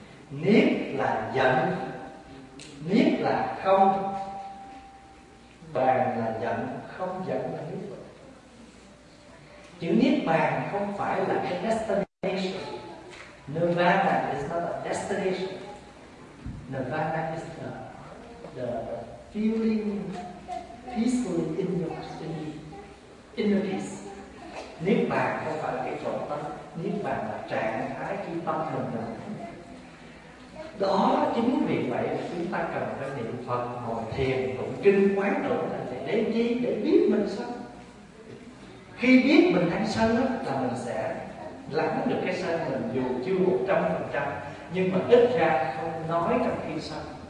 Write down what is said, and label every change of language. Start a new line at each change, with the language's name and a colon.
Vietnamese: Niết là giận, niết là không, bàn là giận, không giận là niết bàn. Chữ niết bàn không phải là cái destination.
English: Nirvana is not a destination. Nirvana is the feeling peacefully in your spirit. Inner peace.
Vietnamese: Niết bàn không phải là cái chỗ tâm, niết bàn là trạng thái khi tâm mình là đó. Chính vì vậy chúng ta cần phải niệm Phật, ngồi thiền, tụng kinh, quán độ để lấy chi, để biết mình sân. Khi biết mình đang sân đó, là mình sẽ lắng được cái sân mình, dù chưa 100%, nhưng mà ít ra không nói trong khi sân.